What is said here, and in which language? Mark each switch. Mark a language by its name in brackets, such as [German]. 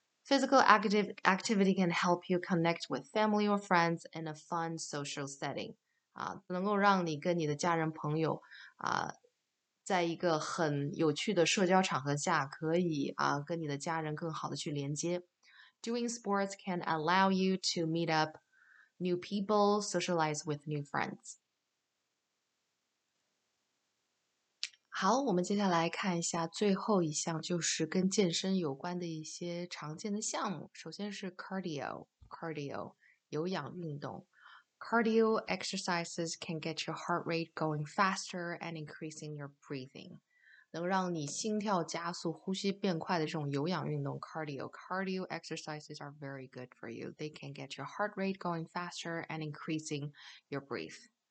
[English] Physical activity can help you connect with family or friends in a fun social setting， [Chinese] 能够让你跟你的家人朋友在一个很有趣的社交场合下，可以跟你的家人更好的去连接。 [English] Doing sports can allow you to meet up new people, socialize with new friends. [Chinese] 好，我们接下来看一下最后一项，就是跟健身有关的一些常见的项目。首先是 cardio，有氧运动。 [English] Cardio exercises can get your heart rate going faster and increasing your breathing. [Chinese] 能让你心跳加速、呼吸变快的这种有氧运动， [English] cardio exercises are very good for you. They can get your heart rate going faster and increasing your breath.